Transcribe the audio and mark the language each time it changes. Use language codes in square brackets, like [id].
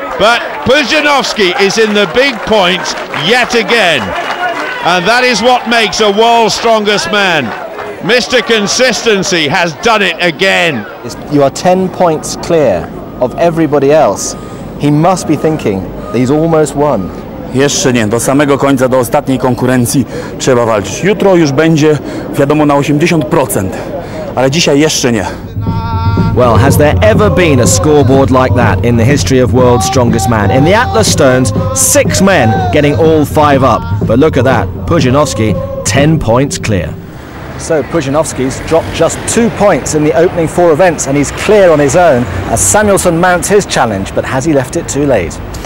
[en] But Puzanowski is in the big points yet again. And that is what makes a world's strongest man. Mr. Consistency has done it again. You are 10 points clear of everybody else. He must be thinking that he's almost won. [pl] Jeszcze nie, do samego końca, do ostatniej konkurencji trzeba walczyć. Jutro już będzie wiadomo na 80%, ale dzisiaj jeszcze nie. [en] Well, has there ever been a scoreboard like that in the history of World's Strongest Man? In the Atlas Stones, 6 men getting all 5 up. But look at that, Puzanowski, 10 points clear. So Puzanowski's dropped just 2 points in the opening 4 events and he's clear on his own as Samuelsson mounts his challenge, but has he left it too late?